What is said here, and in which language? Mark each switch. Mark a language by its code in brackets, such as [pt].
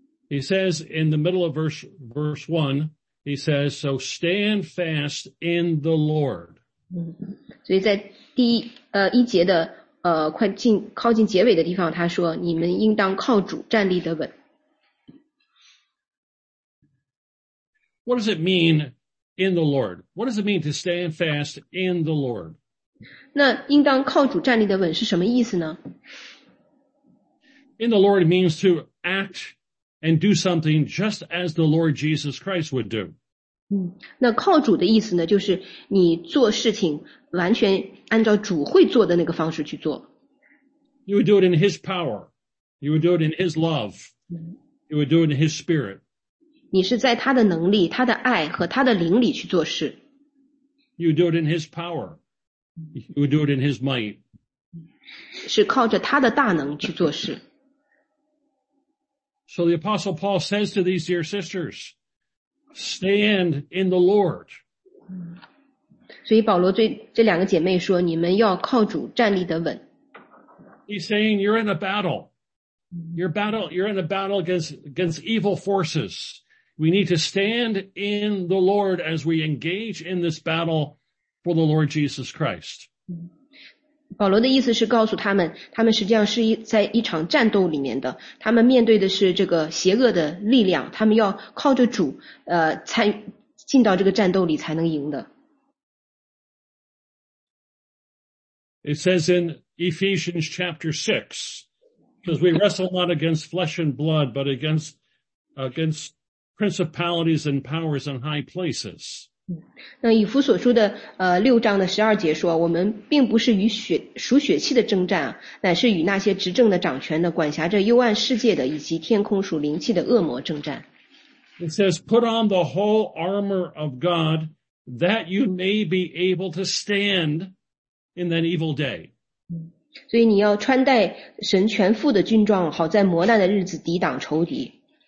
[en] He says in the middle of verse 1,He says, so stand fast in the Lord. [zh] 所以在第一节的靠近结尾的地方，他说你们应当靠主站立得稳。 [en] What does it mean in the Lord? What does it mean to stand fast in the Lord? [zh] 那应当靠主站立得稳是什么意思呢？ [en] In the Lord means to act and do something just as the Lord Jesus Christ would do. [zh] 那靠主的意思呢，就是你做事情完全按照主会做的那个方式去做。 [en] You would do it in His power. You would do it in His love. You would do it in His spirit. [zh] 你是在他的能力、他的爱和他的灵里去做事。 [en] You would do it in His power. You would do it in His might. [zh] 是靠着他的大能去做事。 [en] So the Apostle Paul says to these dear sisters,Stand in the Lord. [zh] 所以保罗对这两个姐妹说，你们要靠主站立得稳。 [en] He's saying you're in a battle. You're in a battle against evil forces. We need to stand in the Lord as we engage in this battle for the Lord Jesus Christ. [zh] 保罗的意思是告诉他们，他们实际上是在一场战斗里面的，他们面对的是这个邪恶的力量，他们要靠着主进到这个战斗里才能赢的。 [en] It says in Ephesians chapter 6, because we wrestle not against flesh and blood, but against principalities and powers in high places. [zh] 那以弗所书的六章的十二节说，我们并不是与属血气的征战，乃是与那些执政的掌权的管辖着幽暗世界的以及天空属灵气的恶魔征战。 [en] It says, put on the whole armor of God that you may be able to stand in that evil day. [zh] 所以你要穿戴神全副的军装，好在磨难的日子抵挡仇敌。